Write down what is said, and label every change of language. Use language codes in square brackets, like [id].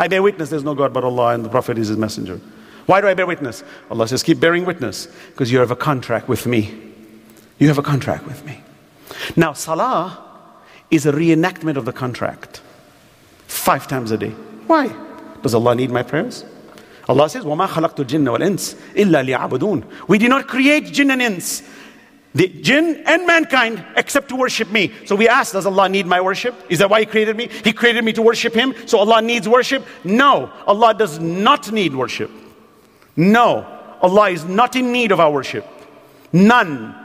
[en] I bear witness there's no God but Allah and the Prophet is his messenger. Why do I bear witness? Allah says, keep bearing witness because you have a contract with me. You have a contract with me. Now, salah is a reenactment of the contract. 5 times a day. Why? Does Allah need my prayers? Allah says, [ar] وَمَا خَلَقْتُ الْجِنَّ وَالْإِنسِ إِلَّا لِيَعْبُدُونَ. [en] We did not create jinn and ins, the jinn and mankind, except to worship me. So we ask, does Allah need my worship? Is that why he created me? He created me to worship him, so Allah needs worship? No, Allah does not need worship. No, Allah is not in need of our worship. None.